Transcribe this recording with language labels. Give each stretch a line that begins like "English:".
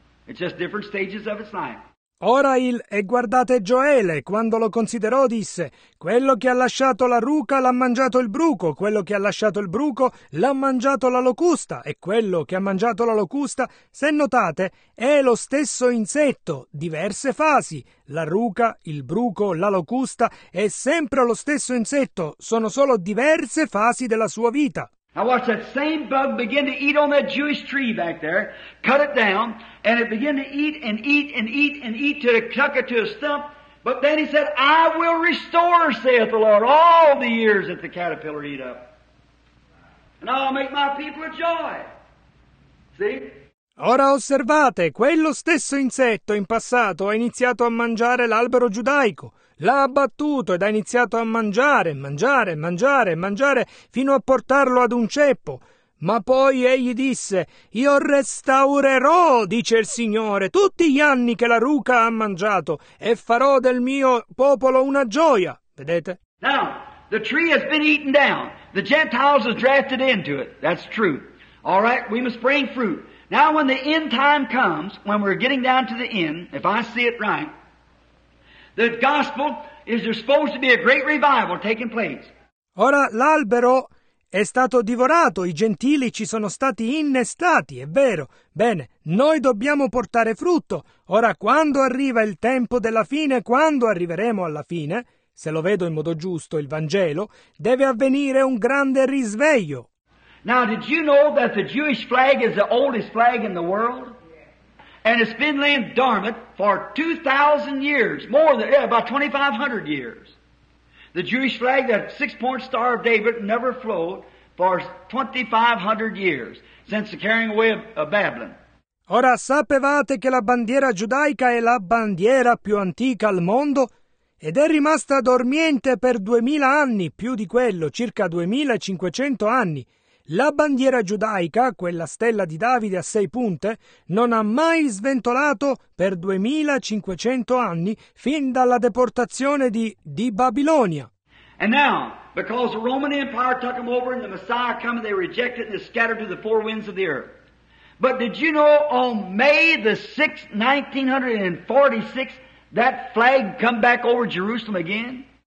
English: It's just different stages of its life.
Italian: Ora il, e guardate Gioele, quando lo considerò, disse, quello che ha lasciato la ruca l'ha mangiato il bruco, quello che ha lasciato il bruco l'ha mangiato la locusta, e quello che ha mangiato la locusta, se notate, è lo stesso insetto, diverse fasi, la ruca, il bruco, la locusta, è sempre lo stesso insetto, sono solo diverse fasi della sua vita.
English: Now watch that same bug begin to eat on that Jewish tree back there, cut it down, and it began to eat and eat and eat and eat till it took it to a stump. But then he said, I will restore, saith the Lord, all the years that the caterpillar eat up. And I'll make my people a joy. See?
Italian: Ora osservate, quello stesso insetto in passato ha iniziato a mangiare l'albero giudaico. L'ha abbattuto ed ha iniziato a mangiare, mangiare, mangiare, mangiare, fino a portarlo ad un ceppo. Ma poi egli disse, io restaurerò, dice il Signore, tutti gli anni che la ruca ha mangiato, e farò del mio popolo una gioia. Vedete?
English: Now, the tree has been eaten down. The Gentiles have drafted into it. That's true. All right, we must bring fruit. Now, when the end time comes, when we're getting down to the end, if I see it right, the gospel is there supposed to be a great revival taking place.
Italian: Ora l'albero è stato divorato, i gentili ci sono stati innestati, è vero. Bene, noi dobbiamo portare frutto. Ora quando arriva il tempo della fine, quando arriveremo alla fine, se lo vedo in modo giusto il Vangelo, deve avvenire un grande risveglio.
English: Now did you know that the Jewish flag is the oldest flag in the world? And it's been laying dormant for 2,000 years, more than, about 2,500 years. The Jewish flag, that six-point star of David, never flowed for 2,500 years, since the carrying away of Babylon.
Italian: Ora, sapevate che la bandiera giudaica è la bandiera più antica al mondo? Ed è rimasta dormiente per 2,000 anni, più di quello, circa 2,500 anni. La bandiera giudaica, quella stella di Davide a sei punte, non ha mai sventolato per 2,500 anni fin dalla deportazione di Babilonia.
English: And now, because the Roman Empire took them over and the Messiah came, they rejected and scattered to the four winds of the earth. But did you know on May the 6th, 1946, that flag come back over Jerusalem again?